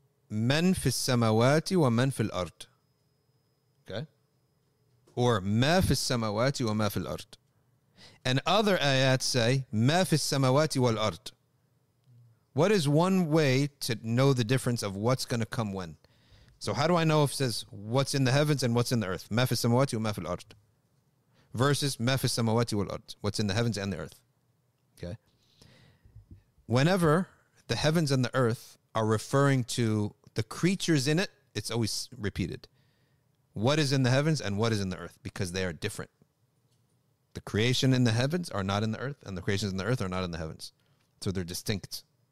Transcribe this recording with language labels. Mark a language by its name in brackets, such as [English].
[Arabic] من في السماوات ومن في الأرض. [English] Okay. Or [Arabic] ما في السماوات وما في الأرض. [English] And other ayat say [Arabic] ما في السماوات والأرض. [English] What is one way to know the difference of what's going to come when? So how do I know if it says what's in the heavens and what's in the earth? [Arabic] ما في السماوات وما في الأرض. [English] Versus [Arabic] ما في السماوات والأرض. [English] What's in the heavens and the earth. Okay. Whenever the heavens and the earth are referring to the creatures in it, it's always repeated. What is in the heavens and what is in the earth? Because they are different. The creation in the heavens are not in the earth, and the creations in the earth are not in the heavens. So they're distinct.